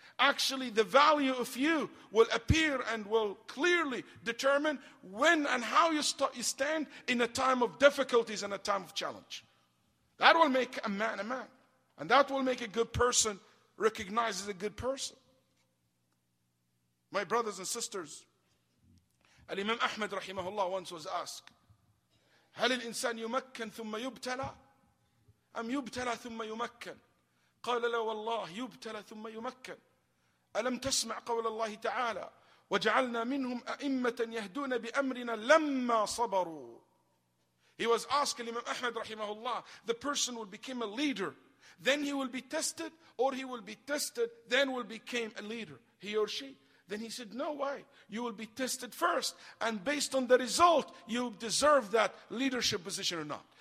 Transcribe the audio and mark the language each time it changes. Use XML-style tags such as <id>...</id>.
<en>Actually, the value of you will appear and will clearly determine when and how you stand in a time of difficulties and a time of challenge. That will make a man a man. And that will make a good person recognized as a good person. My brothers and sisters, Al-Imam Ahmad rahimahullah once was asked,</en> <ar>هل الإنسان يمكن ثم يبتلى أم يبتلى ثم يمكن قال لا والله يبتلى ثم يمكن ألم تسمع قول الله تعالى وجعلنا منهم أئمة يهدون بأمرنا لما صبروا.</ar> <en>He was asked, Imam Ahmad rahimahullah, the person will become a leader, then he will be tested, or he will be tested, then will become a leader, he or she. Then he said, no, why? You will be tested first. And based on the result, you deserve that leadership position or not.</en>